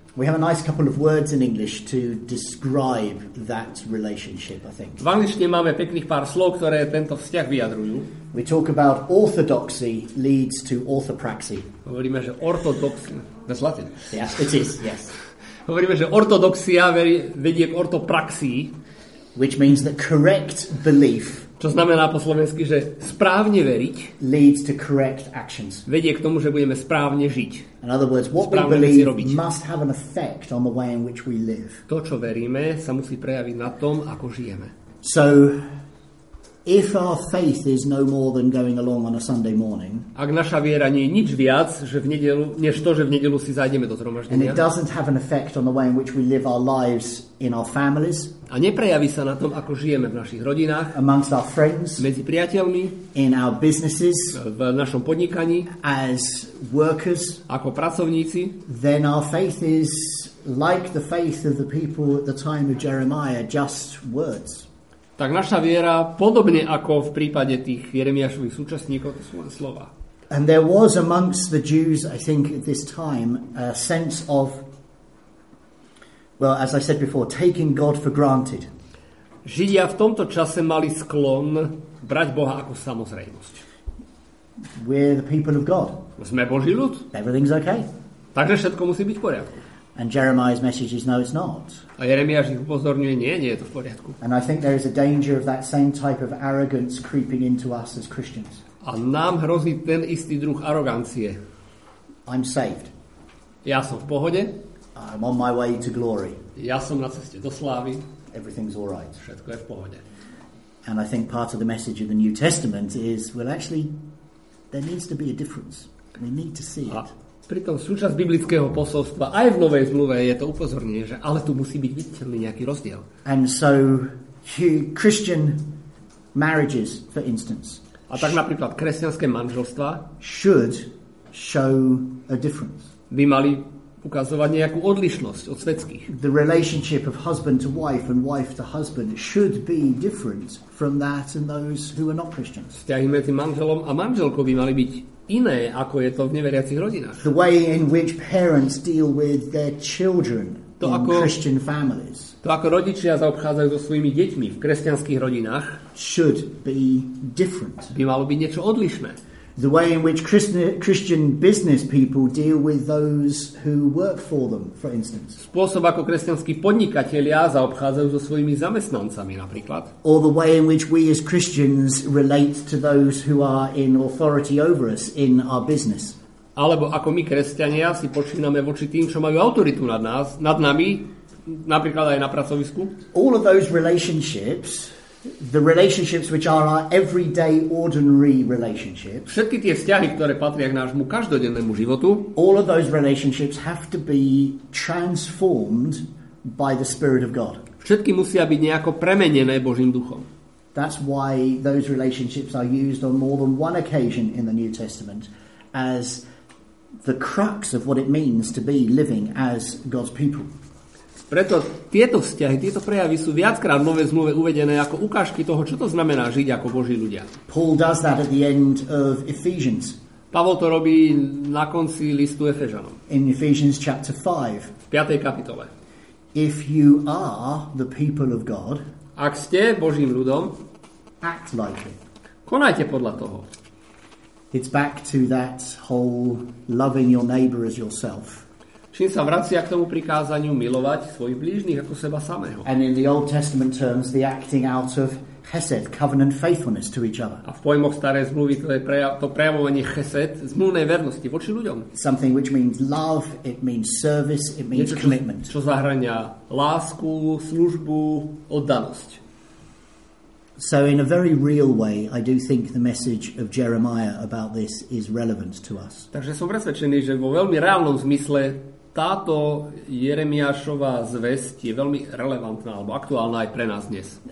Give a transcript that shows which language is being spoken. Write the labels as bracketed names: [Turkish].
[English] We have a nice couple of words in English to describe that relationship, I think. [Slovak] V angličtine máme pekných pár slov, ktoré tento vzťah vyjadrujú. [English] We talk about orthodoxy leads to orthopraxy. [Slovak] Hovoríme, že ortodoxia. [English] That's Latin. Yeah, it is, yes. [Slovak] Hovoríme, že ortodoxia vedie k ortopraxii. [English] Which means that correct belief, [Slovak] čo znamená po slovensky, že správne veriť, [English] leads to correct actions. [Slovak] Vedie k tomu, že budeme správne žiť. [English] In other words, what we believe must have an effect on the way in which we live. [Slovak] To, čo veríme, sa musí prejaviť na tom, ako žijeme. [English] So, if our faith is no more than going along on a Sunday morning, [Slovak] ak naša viera nie je nič viac, že v nedeľu, než to, že v nedeľu si zájdeme do zhromaždenia, [English] and it doesn't have an effect on the way in which we live our lives in our families, [Slovak] a neprejaví sa na tom, ako žijeme v našich rodinách, [English] amongst our friends, [Slovak] medzi priateľmi, [English] in our businesses, [Slovak] v našom podnikaní, [English] as workers, [Slovak] ako pracovníci, [English] then our faith is like the faith of the people at the time of Jeremiah, just words. [Slovak] Tak naša viera, podobne ako v prípade tých Jeremiášových súčasníkov, to sú len slova. [English] And there was amongst the Jews, I think, at this time, a sense of, well, as I said before, taking God for granted. [Slovak] Židia v tomto čase mali sklon brať Boha ako samozrejmosť. [English] We're the people of God. [Slovak] Sme Boží ľud. [English] Everything's okay. [Slovak] Takže všetko musí byť v poriadku. [English] And Jeremiah's message is no, it's not. [Slovak] A Jeremiáš ich upozorňuje, nie, nie je to v poriadku. [English] And I think there is a danger of that same type of arrogance creeping into us as Christians. [Slovak] A nám hrozí ten istý druh arogancie. [English] I'm saved. [Slovak] Ja som v pohode. [English] I'm on my way to glory. [Slovak] Ja som na ceste do slávy. [English] Everything's all right. [Slovak] Všetko je v pohode. [English] And I think part of the message of the New Testament is, well, actually, there needs to be a difference. We need to see it. [Slovak] Pritom súčasť biblického posolstva aj v Novej zmluve je to upozornenie, že ale tu musí byť viditeľný nejaký rozdiel. [English] And so Christian marriages, for instance. [Slovak] A tak napríklad kresťanské manželstva [English] should show a difference. [Slovak] By mali ukazovať nejakú odlišnosť od svetských. [English] The relationship of husband to wife and wife to husband should be different from that and those who are not Christians. [Slovak] Vzťahy medzi manželom a manželkou by mali byť iné, ako je to v neveriacich rodinách. [English] The way in which parents deal with their children [Slovak] to, [English] in [Slovak] ako, [English] Christian families, [Slovak] to ako rodičia zaobchádzajú so svojimi deťmi v kresťanských rodinách, [English] should be different. [Slovak] By malo byť niečo odlišné. [English] The way in which Christian business people deal with those who work for them, for instance. [Slovak] Spôsob, ako kresťanskí podnikatelia zaobchádzajú so svojimi zamestnancami, napríklad. [English] Or the way in which we as Christians relate to those who are in authority over us in our business. [Slovak] Alebo ako my, kresťania, si počíname voči tým, čo majú autoritu nad nás, nad nami, napríklad aj na pracovisku. [English] All of those relationships, the relationships which are our everyday ordinary relationships, [Slovak] všetky tie vzťahy, ktoré patria k nášmu každodennému životu, [English] all of those relationships have to be transformed by the Spirit of God. [Slovak] Všetky musia byť nejako premenené Božím duchom. [English] That's why those relationships are used on more than one occasion in the New Testament as the crux of what it means to be living as God's people. [Slovak] Preto tieto vzťahy, tieto prejavy sú viackrát v Novej zmluve uvedené ako ukážky toho, čo to znamená žiť ako Boží ľudia. [English] Paul does that at the end of Ephesians. [Slovak] Pavol to robí na konci listu Efežanom. [English] In Ephesians chapter 5. [Slovak] V 5. kapitole. [English] If you are the people of God, [Slovak] ak ste Božím ľudom, [English] act like it. [Slovak] Konajte podľa toho. [English] It's back to that whole loving your neighbor as yourself. [Slovak] Čím sa vracia k tomu prikázaniu milovať svojich blížnych ako seba samého. [English] And in the Old Testament terms, the acting out of chesed, covenant faithfulness to each other. [Slovak] A v pojmoch starej zmluvy to prejavovanie chesed, zmluvnej vernosti voči ľuďom. [English] Something which means love, it means service, it means [Slovak] niečo, [English] commitment. [Slovak] Čo zahrania lásku, službu, oddanosť. [English] So in a very real way, I do think the message of Jeremiah about this is relevant to us. [Slovak] Takže som presvedčený, že vo veľmi reálnom zmysle táto Jeremiášova zvesť je veľmi relevantná alebo aktuálna aj pre nás dnes.